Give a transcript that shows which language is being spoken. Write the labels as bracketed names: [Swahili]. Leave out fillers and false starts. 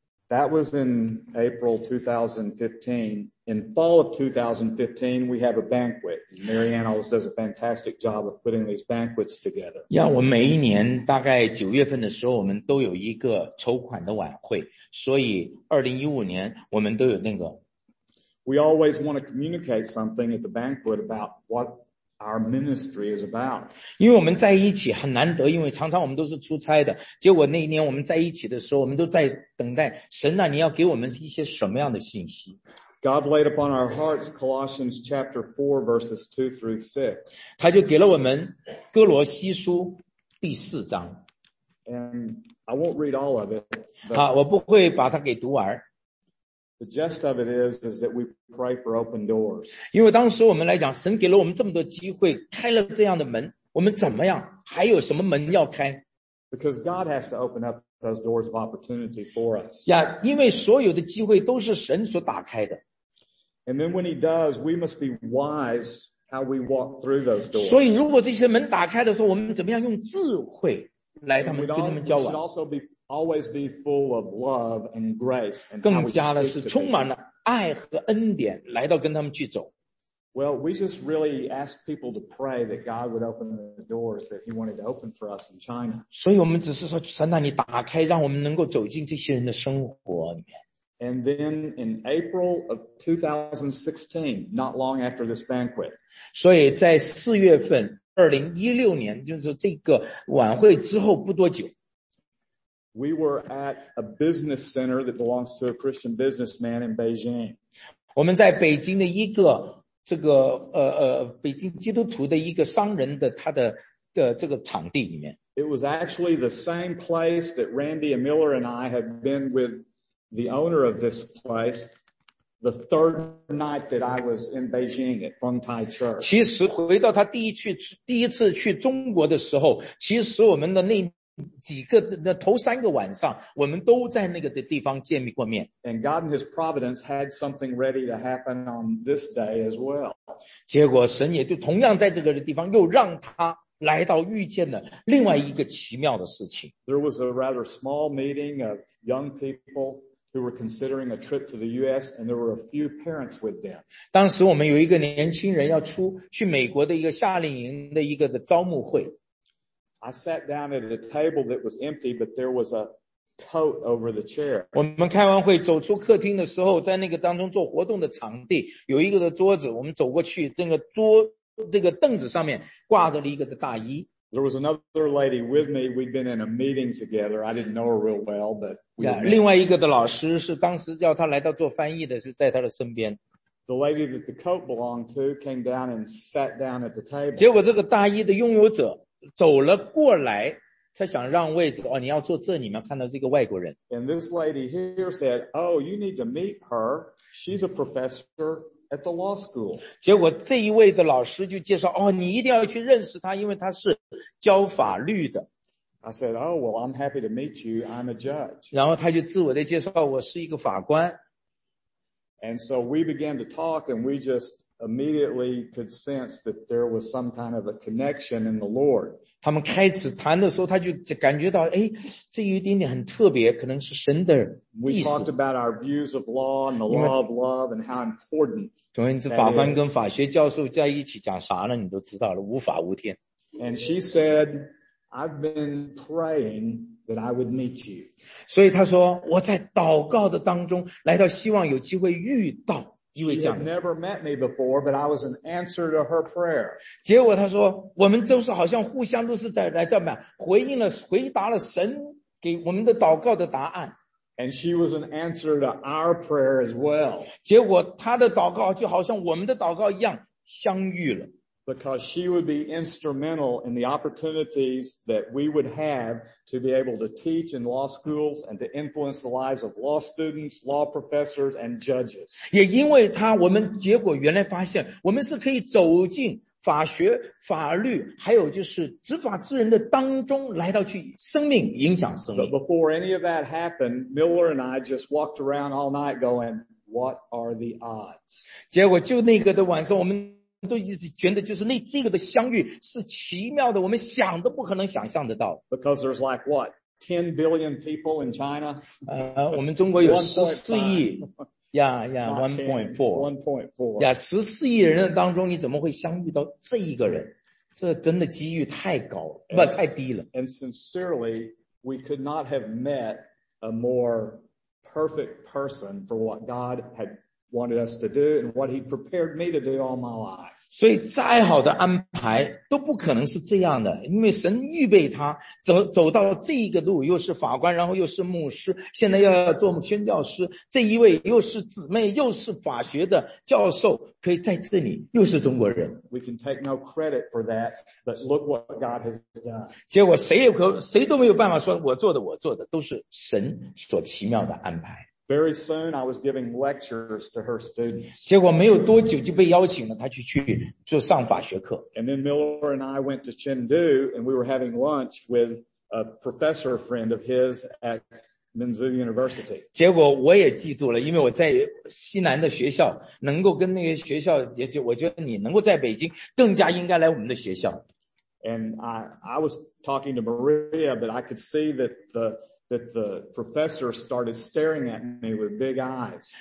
[English] That was in April 2015. In fall of 2015, we have a banquet. Marianne always does a fantastic job of putting these banquets together. [Chinese] Yeah, 我每一年大概九月份的时候我们都有一个筹款的晚会。所以2015年我们都有那个。 [English] We always want to communicate something at the banquet about what our ministry is about. [Chinese] 因为我们在一起很难得，因为常常我们都是出差的。结果那一年我们在一起的时候，我们都在等待神啊，你要给我们一些什么样的信息。 [English] God laid upon our hearts Colossians chapter 4 verses 2 through 6. [Chinese] 他就给了我们哥罗西书第四章。 [English] And I won't read all of it. [Chinese] 好，我不会把它给读完。 [English] The gist of it is that we pray for open doors. [Chinese] 因为当时我们来讲，神给了我们这么多机会，开了这样的门，我们怎么样？还有什么门要开？ [English] Because God has to open up those doors of opportunity for us. [Chinese] 呀，因为所有的机会都是神所打开的。 [English] And then when He does, we must be wise how we walk through those doors. [Chinese] 所以如果这些门打开的时候，我们怎么样用智慧来他们跟他们交往？ [English] We should also be always be full of love and grace. [Chinese] 更加的是充满了爱和恩典来到跟他们去走。 [English] Well, we just really asked people to pray that God would open the doors that He wanted to open for us in China. [Chinese] 所以我们只是说，神啊，你打开，让我们能够走进这些人的生活里面。 [English] And then in April of 2016, not long after this banquet. [Chinese] 所以在四月份，2016年，就是这个晚会之后不多久。 [English] We were at a business center that belongs to a Christian businessman in Beijing. [Chinese] 我们在北京的一个这个北京基督徒的一个商人的他的这个场地里面。 [English] It was actually the same place that Randy and Miller and I had been with the owner of this place the third night that I was in Beijing at Feng Tai Church. [Chinese] 其实回到他第一次去中国的时候，其实我们的那。几个那头三个晚上我们都在那个的地方见过面。 [English] And God in His providence had something ready to happen on this day as well. [Chinese] 结果神也就同样在这个地方又让他来到遇见了另外一个奇妙的事情。 [English] There was a rather small meeting of young people who were considering a trip to the U.S. and there were a few parents with them. [Chinese] 当时我们有一个年轻人要出去美国的一个夏令营的一个的招募会。 [English] I sat down at a table that was empty, but there was a coat over the chair. [Chinese] 我们开完会走出客厅的时候，在那个当中做活动的场地有一个的桌子，我们走过去，这个凳子上面挂着了一个的大衣。 [English] There was another lady with me. We'd been in a meeting together. I didn't know her real well, but we met. [Chinese] 另外一个的老师是当时叫他来到做翻译的，是在他的身边。 [English] The lady that the coat belonged to came down and sat down at the table. [Chinese] 结果这个大衣的拥有者走了过来，他想让位置。哦，你要坐这里吗？看到这个外国人。 [English] And this lady here said, "Oh, you need to meet her. She's a professor." At the law school. [Chinese] 结果这一位的老师就介绍，哦，你一定要去认识他，因为他是教法律的。 [English] I said, "Oh, well, I'm happy to meet you. I'm a judge." [Chinese] 然后他就自我的介绍，我是一个法官。 [English] And so we began to talk, and we just immediately could sense that there was some kind of a connection in the Lord. [Chinese] 他们开始谈的时候，他就感觉到，哎，这有一点点很特别，可能是神的意思。 [English] We talked about our views of law and the law of love and how important. [Chinese] 总而言之，法官跟法学教授在一起讲啥呢？你都知道了，无法无天。 [English] And she said, "I've been praying that I would meet you." [Chinese] 所以他说，我在祷告的当中来到，希望有机会遇到。 [English] She had never met me before, but I was an answer to her prayer. [Chinese] 结果他说，我们都是好像互相都是在来这么回应了，回答了神给我们的祷告的答案。 [English] And she was an answer to our prayer as well. [Chinese] 结果他的祷告就好像我们的祷告一样相遇了。 [English] Because she would be instrumental in the opportunities that we would have to be able to teach in law schools and to influence the lives of law students, law professors, and judges. [Chinese] 也因为她，我们结果原来发现，我们是可以走进法学、法律，还有就是执法之人的当中来到去生命影响生命。 [English] But before any of that happened, Miller and I just walked around all night going, "What are the odds?" [Chinese] 结果就那个的晚上，我们都觉得就是那这个的相遇是奇妙的，我们想都不可能想象得到。 [English] Because there's like what 10 billion people in China. [Chinese] 我们中国有14亿，呀呀 ，1.4，1.4， 呀，十四亿人的当中，你怎么会相遇到这一个人？这真的机遇太高了，不太低了。 [English] And sincerely, we could not have met a more perfect person for what God had. Wanted us to do and what he prepared me to do all my life. [Chinese] 所以再好的安排都不可能是这样的，因为神预备他走到这一个路，又是法官，然后又是牧师，现在要做宣教师，这一位又是姊妹，又是法学的教授，可以在这里，又是中国人。 [English] We can take no credit for that, but look what God has done. [Chinese] 结果谁都没有办法说我做的，都是神所奇妙的安排。 [English] Very soon, I was giving lectures to her students. [Chinese] 结果没有多久就被邀请了，他去就上法学课。 [English] And then Miller and I went to Chengdu, and we were having lunch with a professor friend of his at Minzu University. [Chinese] 结果我也嫉妒了，因为我在西南的学校能够跟那些学校，我觉得你能够在北京，更加应该来我们的学校。 [English] And I was talking to Maria, but I could see that the professor started staring at me with big eyes.